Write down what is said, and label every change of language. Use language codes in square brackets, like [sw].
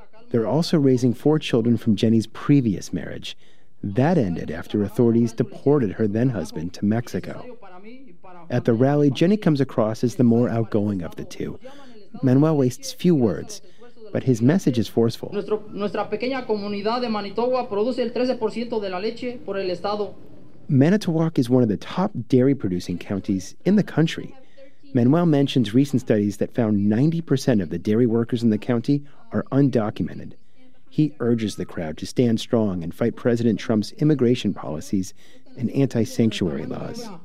[en] They're also raising 4 children from Jenny's previous marriage. That ended after authorities deported her then-husband to Mexico. At the rally, Jenny comes across as the more outgoing of the two. Manuel wastes few words, but his message is forceful. [es] Nuestra pequeña comunidad de Manitowoc produce el 13% de la leche por el estado. [en] Manitowoc is one of the top dairy-producing counties in the country. Manuel mentions recent studies that found 90% of the dairy workers in the county are undocumented. He urges the crowd to stand strong and fight President Trump's immigration policies and anti-sanctuary laws.